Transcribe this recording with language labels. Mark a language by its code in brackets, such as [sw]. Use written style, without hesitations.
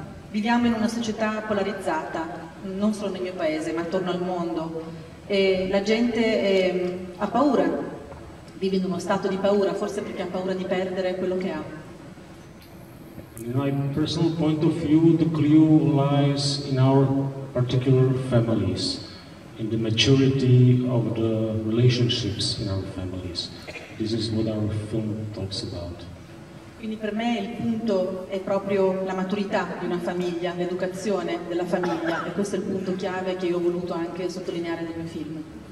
[it] Viviamo in una società polarizzata, non solo nel mio paese, ma attorno al mondo. E la gente ha paura, vive in uno stato di paura, forse perché ha paura di perdere quello che ha. [en] In my personal point of view, the clue lies in our particular families, in the maturity of the relationships in our families. This is what our film talks about. [it] Quindi per me il punto è proprio la maturità di una famiglia, l'educazione della famiglia, e questo è il punto chiave che io ho voluto anche sottolineare nel mio film.